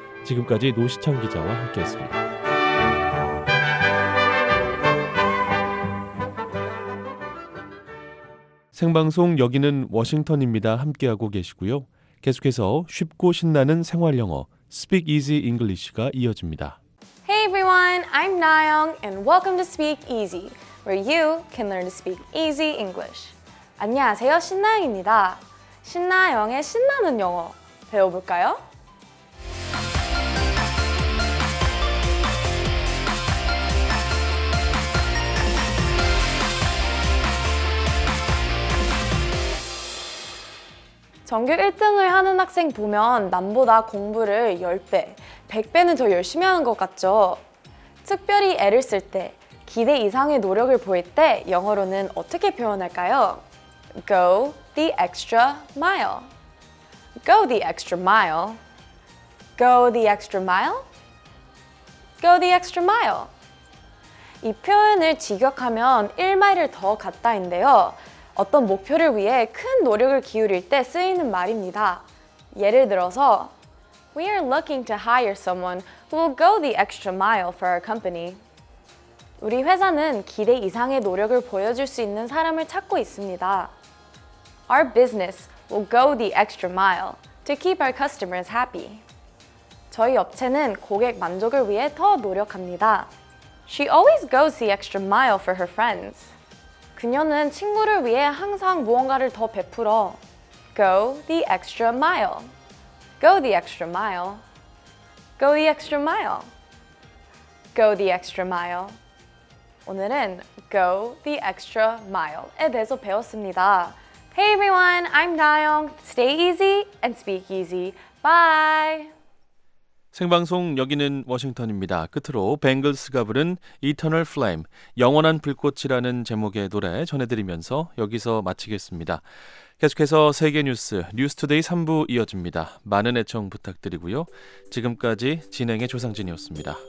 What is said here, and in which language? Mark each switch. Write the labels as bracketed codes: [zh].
[ko] 지금까지 노시창 기자와 함께했습니다. 생방송 여기는 워싱턴입니다. 함께하고 계시고요. 계속해서 쉽고 신나는 생활 영어 Speak Easy English가 이어집니다. [en] Hey everyone, I'm Nayeong and welcome to Speak Easy, where you can learn to speak easy English. [ko] 안녕하세요, 신나영입니다. 신나영의 신나는 영어 배워볼까요? 전교 1등을 하는 학생 보면 남보다 공부를 10배, 100배는 더 열심히 하는 것 같죠? 특별히 애를 쓸 때, 기대 이상의 노력을 보일 때 영어로는 어떻게 표현할까요? [en] Go the extra mile. Go the extra mile. Go the extra mile. Go the extra mile. [ko] 이 표현을 직역하면 1마일을 더 갔다인데요. 어떤 목표를 위해 큰 노력을 기울일 때 쓰이는 말입니다. 예를 들어서 [en] We are looking to hire someone who will go the extra mile for our company. [ko] 우리 회사는 기대 이상의 노력을 보여줄 수 있는 사람을 찾고 있습니다. [en] Our business will go the extra mile to keep our customers happy. [ko] 저희 업체는 고객 만족을 위해 더 노력합니다. [en] She always goes the extra mile for her friends. [ko] 그녀는 친구를 위해 항상 무언가를 더 베풀어. [en] Go the extra mile. Go the extra mile. Go the extra mile. Go the extra mile. [ko] 오늘은 [en] Go the extra mile [ko] 에 대해서 배웠습니다. [en] Hey everyone, I'm Nayeong. Stay easy and speak easy. Bye! [ko] 생방송 여기는 워싱턴입니다. 끝으로 뱅글스가 부른 Eternal Flame, 영원한 불꽃이라는 제목의 노래 전해드리면서 여기서 마치겠습니다. 계속해서 세계 뉴스, 뉴스투데이 3부 이어집니다. 많은 애청 부탁드리고요. 지금까지 진행의 조상진이었습니다.